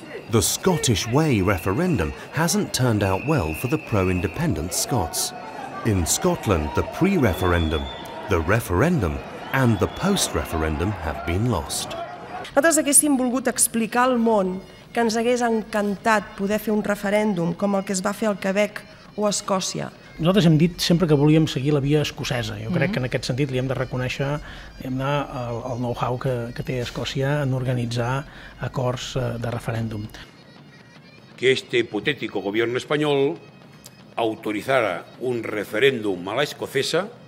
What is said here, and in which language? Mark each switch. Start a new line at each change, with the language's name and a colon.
English: The Scottish Way referendum hasn't turned out well for the pro-independent Scots. In Scotland, the pre-referendum, the referendum and the post-referendum have been lost.
Catalan: Nosaltres haguéssim volgut explicar al món que ens hagués encantat poder fer un referèndum com el que es va fer al Quebec o a Escòcia. Nosaltres hem dit sempre que volíem seguir la via escocesa. Jo crec que en aquest sentit li hem de reconèixer el know-how que té Escòcia en organitzar acords de referèndum.
Spanish: Que este hipotético gobierno español autorizara un referéndum a la escocesa